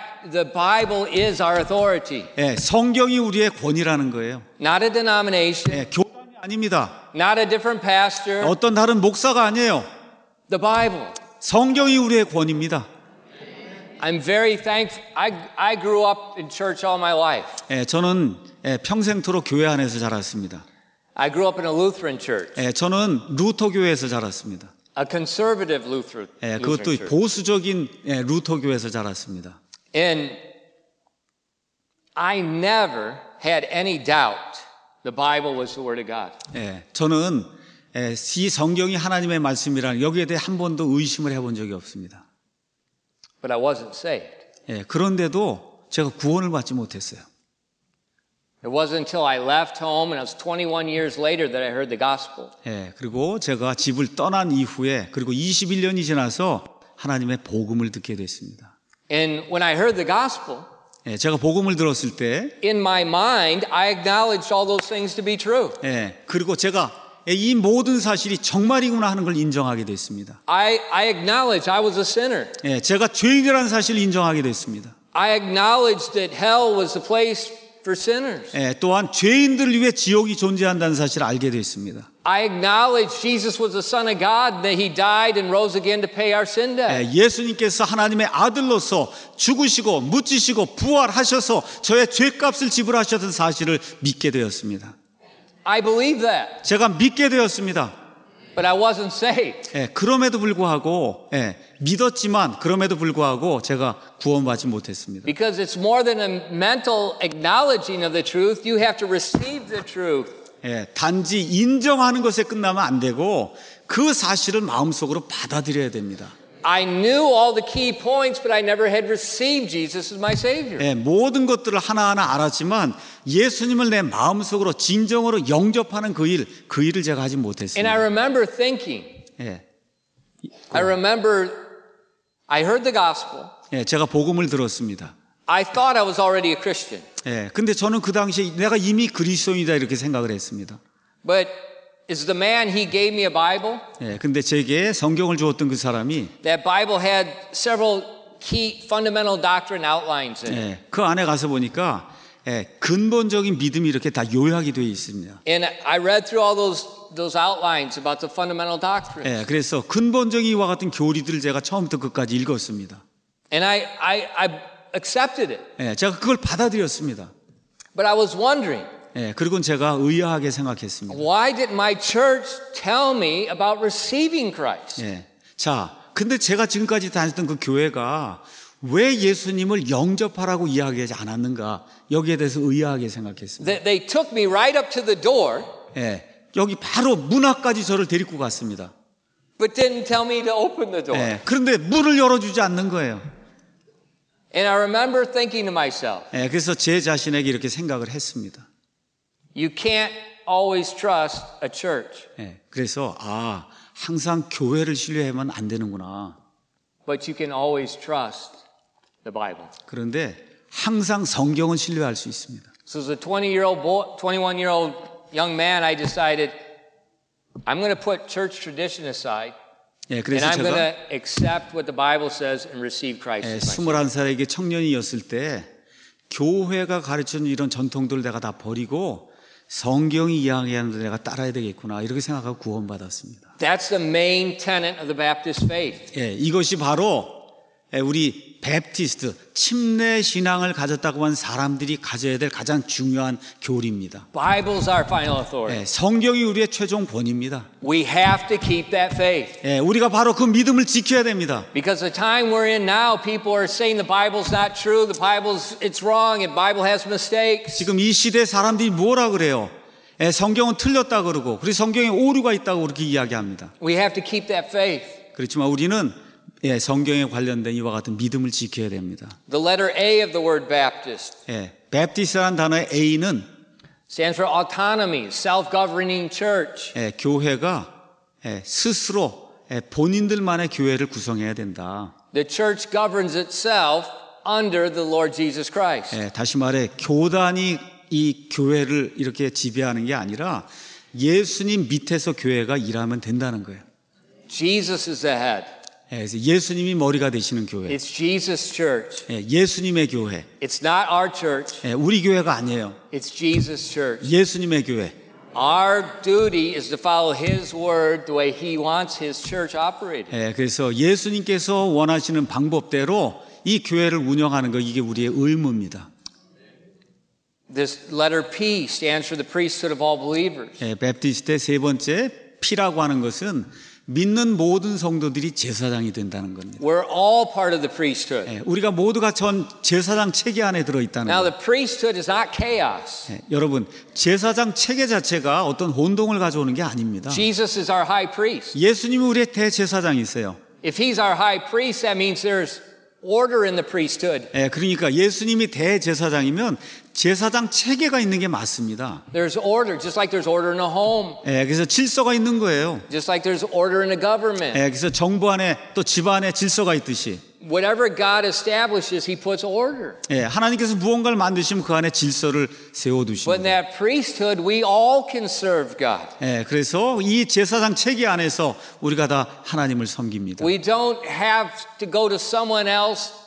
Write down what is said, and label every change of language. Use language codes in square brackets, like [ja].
[en] The Bible is our authority. [ko] 예, 성경이 우리의 권위라는 거예요. [en] Not a denomination. [ko] 예, 교단이 아닙니다. [en] Not a different pastor. [ko] 어떤 다른 목사가 아니에요. [en] The Bible. [ko] 성경이 우리의 권위입니다. [en] I'm very thankful. I grew up in church all my life. [ko] 예, 저는 평생토록 교회 안에서 자랐습니다. [en] I grew up in a Lutheran church. [ko] 예, 저는 루터 교회에서 자랐습니다. [en] A conservative Lutheran church. [ko] 예, 그것도 보수적인 예, 루터 교회에서 자랐습니다. [en] And I never had any doubt the Bible was the word of God. [ko] 예, 저는 이 성경이 하나님의 말씀이란 여기에 대해 한 번도 의심을 해본 적이 없습니다. [en] But I wasn't saved. [ko] 예, 그런데도 제가 구원을 받지 못했어요. [en] It wasn't until I left home and I was 21 years later that I heard the gospel. [ko] 예, 그리고 제가 집을 떠난 이후에 그리고 21년이 지나서 하나님의 복음을 듣게 됐습니다. [en] And when I heard the gospel, [ko] 예, 제가 복음을 들었을 때 [en] in my mind I acknowledged all those things to be true. [ko] 예, 그리고 제가 이 모든 사실이 정말이구나 하는 걸 인정하게 됐습니다. [en] I acknowledge I was a sinner. [ko] 예, 제가 죄인이라는 사실을 인정하게 됐습니다. [en] I acknowledged that hell was the place for sinners. [ko] 예, 또한 죄인들을 위해 지옥이 존재한다는 사실을 알게 되었습니다. [en] I acknowledge Jesus was the Son of God that he died and rose again to pay our sin debt. [ko] 예, 예수님께서 하나님의 아들로서 죽으시고 묻히시고 부활하셔서 저의 죄값을 지불하셨던 사실을 믿게 되었습니다. [en] I believe that. [ko] 제가 믿게 되었습니다. [en] But I wasn't saved. [ko] 예, 그럼에도 불구하고 예, 믿었지만 그럼에도 불구하고 제가 구원받지 못했습니다. [en] Because it's more than a mental acknowledging of the truth. You have to receive the truth. [ko] 예, 단지 인정하는 것에 끝나면 안 되고 그 사실을 마음속으로 받아들여야 됩니다. [en] I knew all the key points, but I never had received Jesus as my Savior. [ko] 예, 모든 것들을 하나하나 알았지만 예수님을 내 마음속으로 진정으로 영접하는 그 일을 제가 하지 못했어요. [en] And I remember thinking. [ko] 예. [en] I remember I heard the gospel. [ko] 예, 제가 복음을 들었습니다. [en] I thought I was already a Christian. [ko] 예, 근데 저는 그 당시에 내가 이미 그리스도인이다 이렇게 생각을 했습니다. [en] But is the man he gave me a Bible? [ko] 예, 근데 제게 성경을 주었던 그 사람이 [en] that Bible had several key fundamental doctrine outlines in it. [ko] 예, 그 안에 가서 보니까 예, 근본적인 믿음이 이렇게 다 요약이 되어 있습니다. [en] And I read through all those outlines about the fundamental doctrines. [ko] 예, 그래서 근본적인 이와 같은 교리들을 제가 처음부터 끝까지 읽었습니다. [en] And I accepted it. [ko] 예, 제가 그걸 받아들였습니다. [en] But I was wondering. [ko] 예, 그리고는 제가 의아하게 생각했습니다. [en] Why did my church tell me about receiving Christ? [ko] 예, 자, 근데 제가 지금까지 다녔던 그 교회가 왜 예수님을 영접하라고 이야기하지 않았는가 여기에 대해서 의아하게 생각했습니다. [en] They took me right up to the door. [ko] 예, 여기 바로 문 앞까지 저를 데리고 갔습니다. [en] But didn't tell me to open the door. [ko] 예, 그런데 문을 열어주지 않는 거예요. [en] And I remember thinking to myself. [ko] 예, 그래서 제 자신에게 이렇게 생각을 했습니다. [en] You can't always trust a church. [ko] 예, 그래서 아 항상 교회를 신뢰하면 안 되는구나. [en] But you can always trust the Bible. [ko] 그런데 항상 성경은 신뢰할 수 있습니다. [en] So as a 20-year-old boy, 21-year-old young man, I decided I'm going to put church tradition aside. [ko] 예, 그래서 [en] and I'm going to accept what the Bible says and receive Christ. [ko] 예, 21살에게 청년이었을 때 교회가 가르쳐준 이런 전통들을 내가 다 버리고 성경이 이야기하는 대로 내가 따라야 되겠구나 이렇게 생각하고 구원받았습니다. [en] That's the main tenet of the Baptist faith. [ko] 예, 이것이 바로 우리 Baptist 침례 신앙을 가졌다고 한 사람들이 가져야 될 가장 중요한 교리입니다. [en] Bible's our final authority. [ko] 예, 성경이 우리의 최종 본입니다. [en] We have to keep that faith. [ko] 예, 우리가 바로 그 믿음을 지켜야 됩니다. [en] Because the time we're in now, people are saying the Bible's not true, the Bible's it's wrong, and Bible has mistakes. [ko] 지금 이 시대 사람들이 뭐라 그래요? 예, 성경은 틀렸다 그러고, 그리고 성경에 오류가 있다고 그렇게 이야기합니다. [en] We have to keep that faith. [ko] 그렇지만 우리는 예, 성경에 관련된 이와 같은 믿음을 지켜야 됩니다. [en] The letter A of the word Baptist. [ko] 예, Baptist라는 단어의 A는 [en] stands for autonomy, self-governing church. [ko] 예, 교회가 예, 스스로 예, 본인들만의 교회를 구성해야 된다. [en] The church governs itself under the Lord Jesus Christ. [ko] 예, 다시 말해 교단이 이 교회를 이렇게 지배하는 게 아니라 예수님 밑에서 교회가 일하면 된다는 거예요. [en] Jesus is the head. [ko] 예수님이 머리가 되시는 교회. [en] It's Jesus' church. [ko] 예수님의 교회. [en] It's not our church. [ko] 우리 교회가 아니에요. [en] It's Jesus' church. [ko] 예수님의 교회. [en] Our duty is to follow His word the way He wants His church operated. [ko] 그래서 예수님께서 원하시는 방법대로 이 교회를 운영하는 거 이게 우리의 의무입니다. [en] This letter P stands for the priesthood of all believers. [ko] 베프티스트의 세 번째 P라고 하는 것은 믿는 모든 성도들이 제사장이 된다는 겁니다. [en] We're all part of the priesthood. [ko] 예, 우리가 모두가 전 제사장 체계 안에 들어 있다는 거예요. [en] Now the priesthood is not chaos. [ko] 예, 여러분, 제사장 체계 자체가 어떤 혼동을 가져오는 게 아닙니다. [en] Jesus is our high priest. [ko] 예수님이 우리의 대제사장이세요. [en] If he's our high priest, that means there's order in the priesthood. [ko] 예, 그러니까 예수님이 대제사장이면 제사장 체계가 있는 게 맞습니다. [en] There's order, just like there's order in a home. [ko] 예, 그래서 질서가 있는 거예요. [en] Just like there's order in a government. [ko] 예, 그래서 정부 안에 또 집안에 질서가 있듯이. [en] Whatever God establishes, He puts order. [ko] 예, 하나님께서 무언가를 만드시면 그 안에 질서를 세워두십니다. [en] But in that priesthood, we all can serve God. [ko] 예, 그래서 이 제사장 체계 안에서 우리가 다 하나님을 섬깁니다. [en] We don't have to go to someone else.